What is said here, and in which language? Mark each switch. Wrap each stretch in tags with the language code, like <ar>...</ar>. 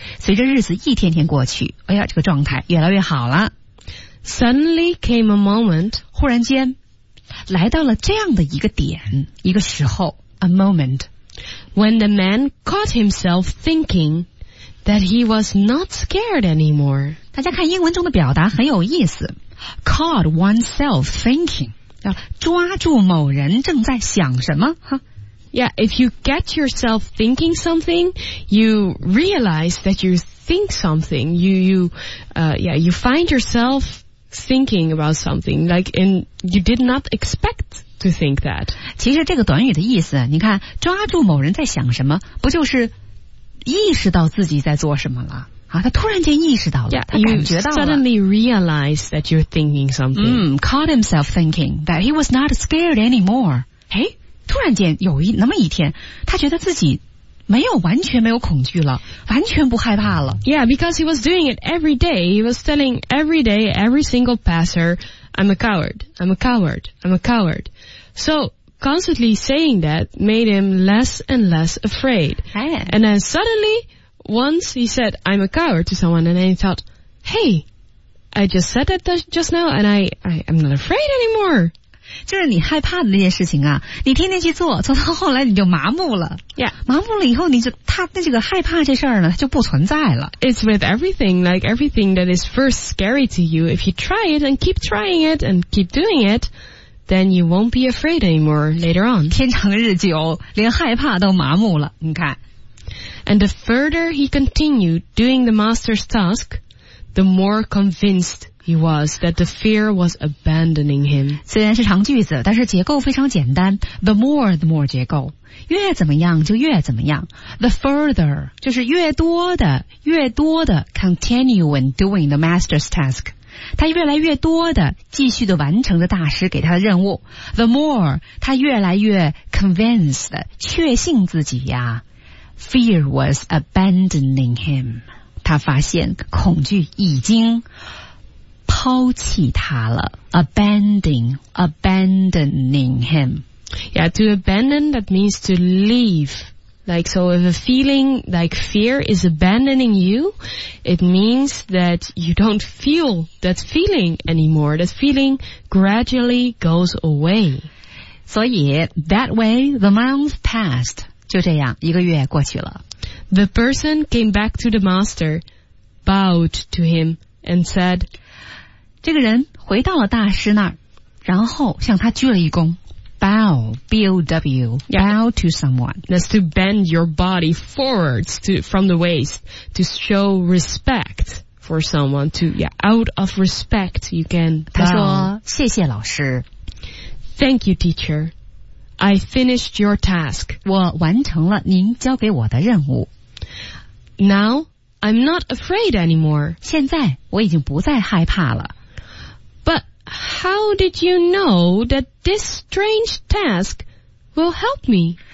<zh>随着日子一天天过去，哎呀，这个状态越来越好了。</zh> <en>Suddenly came a moment,</en> <zh>忽然间来到了这样的一个点，一个时候，</zh> <en>a moment, when the man caught himself thinking that he was not scared anymore.</en> <zh>大家看英文中的表达很有意思，</zh> <en>caught oneself thinking,</en> <zh>要抓住某人正在想什么，哈。</zh> <en>Yeah, if you get yourself thinking something, you realize that you think something. You find yourself thinking about something, like, and you did not expect to think that.</en> <zh>其实这个短语的意思，你看，抓住某人在想什么，不就是意识到自己在做什么了？啊，他突然间意识到了， yeah, 他感觉到了。</zh> <en>You suddenly realize that you're thinking something. Caught himself thinking that he was not scared anymore.</en> <zh>诶，突然间有一那么一天，他觉得自己没有完全没有恐惧了，完全不害怕了。</zh> <en>Yeah, because he was doing it every day. He was telling every day, every single passer, I'm a coward, I'm a coward, I'm a coward. So, constantly saying that made him less and less afraid. And then suddenly, once he said, I'm a coward to someone, and then he thought, hey, I just said that just now, and I'm not afraid anymore.</en> <zh>就是你害怕的那件事情啊，你天天去做，做到后来你就麻木了。 Yeah. 麻木了以后，你就他那这个害怕这事儿呢，就不存在了。</zh> <en>It's with everything, like everything that is first scary to you. If you try it and keep trying it and keep doing it, then you won't be afraid anymore later on.</en> <zh>天长日久，连害怕都麻木了。你看。</zh> <en>And the further he continued doing the master's task, the more convinced he was, that the fear was abandoning him.</en> <zh>虽然是长句子，但是结构非常简单。</zh> <en>the more</en> <zh>结构，越怎么样就越怎么样。</zh> <en>The further,</en> <zh>就是越多的，越多的</zh> <en>continue in doing the master's task。</en> <zh>他越来越多的继续的完成了大师给他的任务。</zh> <en>The more,</en> <zh>他越来越 convinced, 确信自己呀。</zh> <en>Fear was abandoning him.</en> <zh>他发现恐惧已经抛弃他了。</zh> <en>Abandoning him. Yeah, to abandon, that means to leave. Like, so if a feeling like fear is abandoning you, it means that you don't feel that feeling anymore. That feeling gradually goes away.</en> <zh>所以</zh> <en>that way, the month passed.</en> <zh>就这样一个月过去了。</zh> <en>The person came back to the master, bowed to him, and said,</en> <zh>这个人回到了大师那儿，然后向他鞠了一躬。</zh> <en>Bow, B-O-W, bow to someone. That's to bend your body forwards to, from the waist, to show respect for someone, to, yeah, out of respect, you can bow.</en> <zh>他说，谢谢老师。</zh> <en>Thank you, teacher. I finished your task.</en> <zh>我完成了您交给我的任务。</zh> <en>Now, I'm not afraid anymore.</en> <zh>现在我已经不再害怕了。</zh> <en>But how did you know that this strange task will help me?</en>